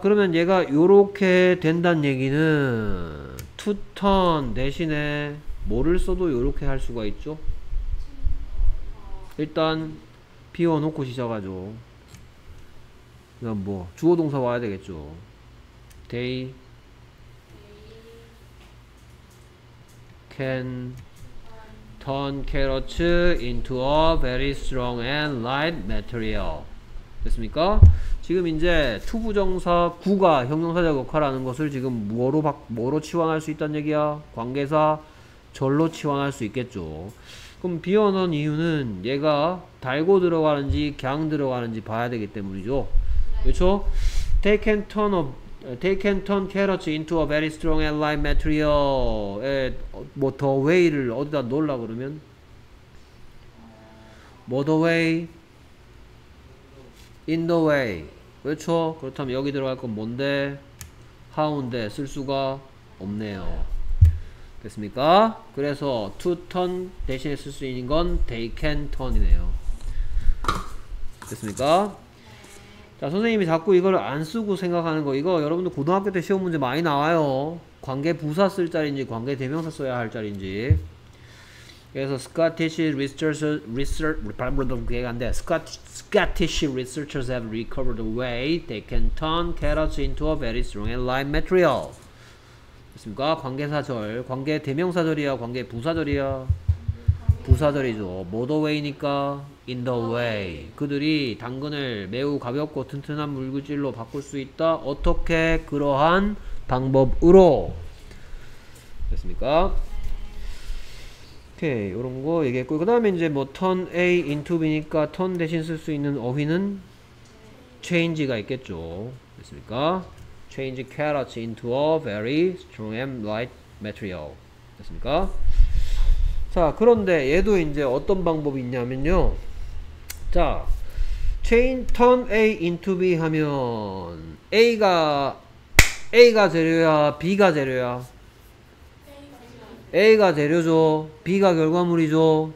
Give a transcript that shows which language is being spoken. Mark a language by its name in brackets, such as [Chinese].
[Korean] 그러면 얘가 요렇게 된다는 얘기는 to turn 대신에 뭐를 써도 요렇게 할 수가 있죠? 일단 비워놓고 시작하죠. 그럼 뭐 주어동사 와야 되겠죠. [English] They can turn carrots into a very strong and light material. [Korean] 됐습니까? 지금 이제 투부정사 구가 형용사적 역할하는 것을 지금 뭐로 치환할 수 있다는 얘기야? 관계사 절로 치환할 수 있겠죠. 그럼 비워놓은 이유는 얘가 달고 들어가는지 그냥 들어가는지 봐야 되기 때문이죠. 그렇죠? [English] They can turn carrots into a very strong and light material에 뭐 the way [Korean] 를 어디다 놓으려고 그러면 뭐 [English] the way in the way. 그렇죠? [Korean] 그렇다면 여기 들어갈 건 뭔데? how인데 쓸 수가 없네요. 됐습니까? 그래서 to turn 대신에 쓸 수 있는 건 they can turn이네요. 됐습니까? 자, 선생님이 자꾸 이걸 안 쓰고 생각하는 거, 이거 여러분들 고등학교 때 시험 문제 많이 나와요. 관계 부사 쓸 자리인지 관계 대명사 써야 할 자리인지. [English] 그래서 Scottish researchers have recovered a way they can turn carrots into a very strong and light material. [Korean] 됐습니까? 관계사절, 관계대명사절이야, 관계부사절이야? 부사절이죠. 모더웨이니까 in the way. 그들이 당근을 매우 가볍고 튼튼한 물질로 바꿀 수 있다. 어떻게 그러한 방법으로? 됐습니까? 오케이, 이런 거 얘기했고, 그 다음에 이제 뭐 turn A into B니까 turn 대신 쓸 수 있는 어휘는 change가 있겠죠. 됐습니까? [English] Change carrots into a very strong and light material. [Korean] 됐습니까? 자, 그런데 얘도 이제 어떤 방법이 있냐면요. 자, chain turn A into B 하면 A가 재료야, B가 재료야? A가 재료죠. B가 결과물이죠.